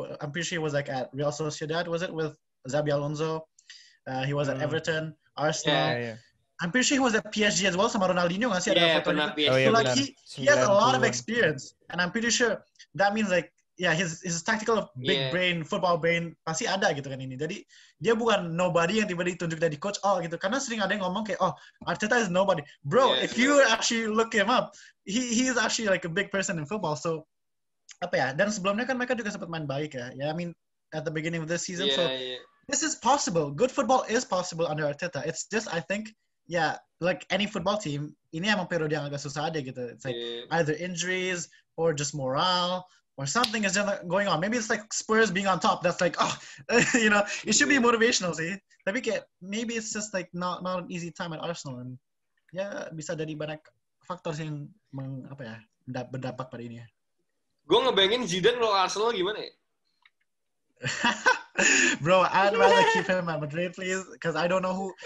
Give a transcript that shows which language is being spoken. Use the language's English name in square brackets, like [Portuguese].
[English] I'm pretty sure he was like at Real Sociedad, was it, with Xabi Alonso? He was at Everton, Arsenal. Yeah. I'm pretty sure he was at PSG as well, [Indonesian] sama Ronaldinho nggak sih? Yeah, pernah PSG. [English] So like he has a lot of experience, and I'm pretty sure that means like, yeah, his tactical big brain, football brain [Indonesian] pasti ada gitu kan ini. Jadi dia bukan nobody yang tiba-tiba ditunjuk jadi coach, oh gitu. Karena sering ada yang ngomong kayak, [English] oh Arteta is nobody, bro. Yeah, if you actually look him up, he is actually like a big person in football. [Indonesian] So apa ya? Dan sebelumnya kan mereka juga sempat main baik ya. [English] Yeah, I mean at the beginning of this season. Yeah, so. This is possible. Good football is possible under Arteta. It's just, I think, yeah, like any football team, [Indonesian] ini emang periode yang agak susah aja gitu. [English] It's like either injuries or just morale or something is just going on. Maybe it's like Spurs being on top. That's like, oh, you know, it should be motivational sih. [Indonesian] Tapi kayak, [English] maybe it's just like not an easy time at Arsenal. [Indonesian] And yeah, bisa dari banyak faktor sih yang berdampak pada ini ya. Gue ngebayangin Zidane lo Arsenal gimana ya? [English] Bro, I'd rather keep him at Madrid, please, because I don't know who.